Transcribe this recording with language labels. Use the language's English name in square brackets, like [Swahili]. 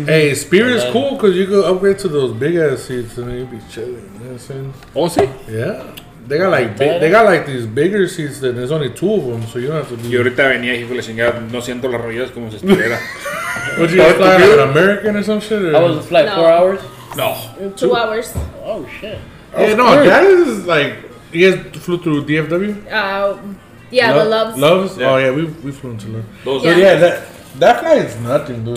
[English] Hey, Spirit is cool because you can upgrade to those big ass seats and you'd be chilling. You know what I'm saying? [Spanish] Oh, sí? [English] Yeah. They got like these bigger seats and there's only two of them, so you don't have to be. [Spanish] Yo ahorita venía y fue la chingada, no siento las rodillas como si estuviera. [English] Would you fly like an American or some shit? Or? I was a flight 4 hours. No. 2 hours. Oh shit. Yeah, no, that is like, you guys flew through DFW? Yeah, Loves. Yeah. Oh yeah, we flew into Loves. Those yeah. Yeah, that flight is nothing, dude.